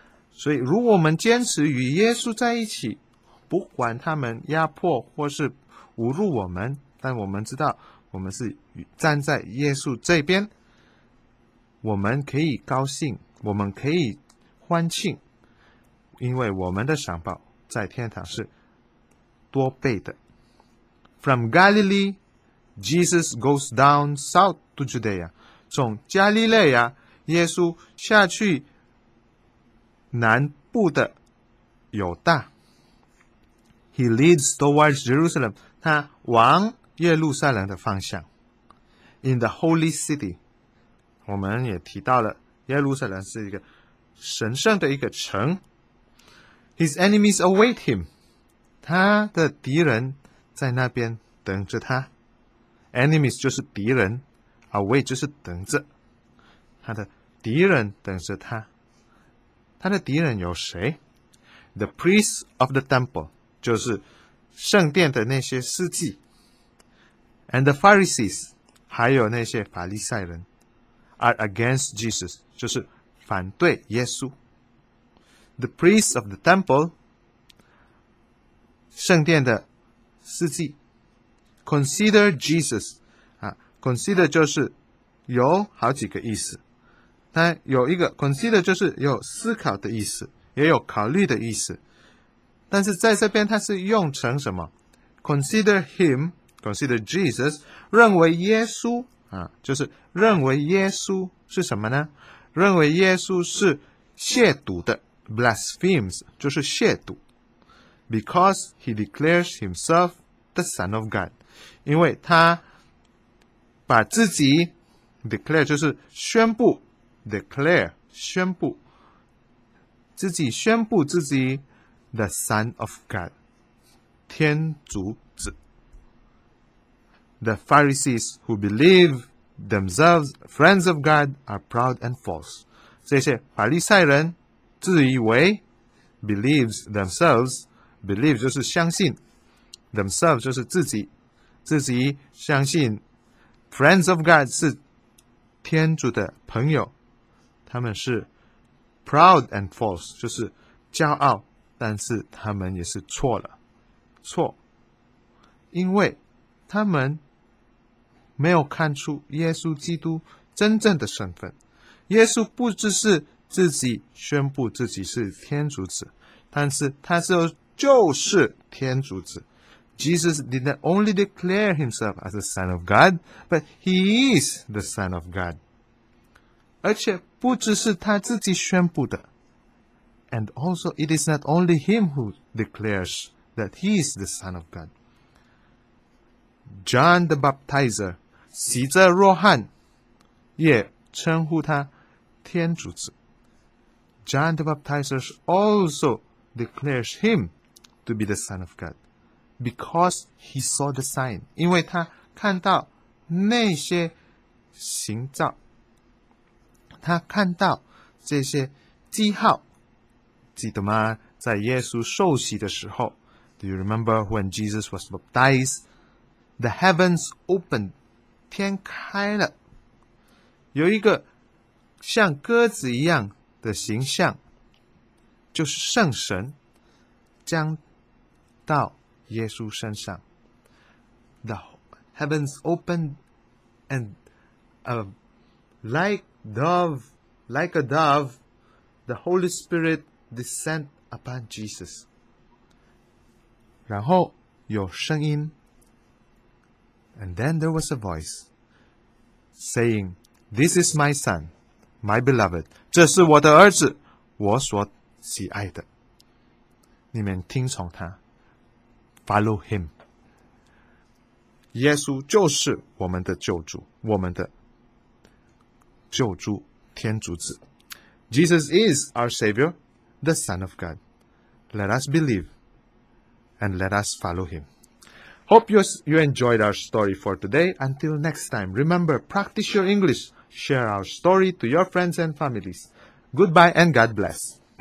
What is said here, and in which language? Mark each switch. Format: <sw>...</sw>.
<zh>所以如果我们坚持与耶稣在一起，不管他们压迫或是侮辱我们，但我们知道我们是站在耶稣这边，我们可以高兴，我们可以欢庆，因为我们的赏报在天堂是多倍的。</zh> <en>From Galilee, Jesus goes down south to Judea.</en> <zh>从加利利亚，耶稣下去南部的犹大。</zh> <en>He leads towards Jerusalem.</en> <zh>他往耶路撒冷的方向。</zh> <en>In the holy city,</en> <zh>我们也提到了耶路撒冷是一个神圣的一个城。</zh> <en>His enemies await him.</en> <zh>他的敌人在那边等着他。 Enemies 就是敌人， await 就是等着。他的敌人等着他。他的敌人有谁？</zh> <en>The priests of the temple，</en> <zh>就是圣殿的那些司祭。</zh> <en>And the Pharisees，</en> <zh>还有那些法利赛人。</zh> <en>Are against Jesus，</en> <zh>就是反对耶稣。</zh> <en>The priests of the temple，</en> <zh>圣殿的司祭。 Consider Jesus， consider 就是有好几个意思，他有一个 consider 就是有思考的意思，也有考虑的意思。但是在这边他是用成什么？</zh> <en>consider him， consider Jesus，</en> <zh>认为耶稣啊，就是认为耶稣是什么呢？认为耶稣是亵渎的， blasphemes 就是亵渎。</zh> <en>because he declares himself the son of God，</en> <zh>因为他把自己</zh> <en>declare</en> <zh>就是宣布，declare 宣布，自己宣布自己</zh> <en>the son of God，</en> <zh>天主子。</zh> <en>The Pharisees who believe themselves friends of God are proud and false，</en> <zh>这些法利赛人自以为</zh> <en>believes themselves， believe</en> <zh>就是相信，</zh> <en>themselves</en> <zh>就是自己，自己相信</zh> <en>friends of God 是</en> <zh>天主的朋友，他们是</zh> <en>proud and false，</en> <zh>就是骄傲，但是他们也是错了，错，因为他们没有看出耶稣基督真正的身份。耶稣不只是自己宣布自己是天主子，但是他说就是天主子。</zh> <en>Jesus did not only declare himself as the son of God， but he is the son of God，</en> <zh>而且不只是他自己宣布的。</zh> <en>And also it is not only him who declares that he is the son of God。</en> <zh>John the baptizer， 洗者若翰，也称呼他天主子。</zh> <en>John the baptizer also declares him to be the son of God， because he saw the sign，</en> <zh>因为他看到那些行兆，他看到这些记号，记得吗？在耶稣受洗的时候</zh> <en>，Do you remember when Jesus was baptized? The heavens opened，</en> <zh>天开了，有一个像鸽子一样的形象，就是圣神降到耶稣身上。</zh> <en>The heavens opened and like a dove, the Holy Spirit descend upon Jesus.</en> <zh>然后有声音，</zh> <en>And then there was a voice saying, This is my son, my beloved.</en> <zh>这是我的儿子，我所喜爱的。你们听从他，</zh> <en>Follow him.</en> <zh>耶稣就是我们的救主，我们的救主。天主子。</zh> <en>Jesus is our Savior, the Son of God. Let us believe and let us follow him. Hope you enjoyed our story for today. Until next time, remember, practice your English. Share our story to your friends and families. Goodbye and God bless.</en>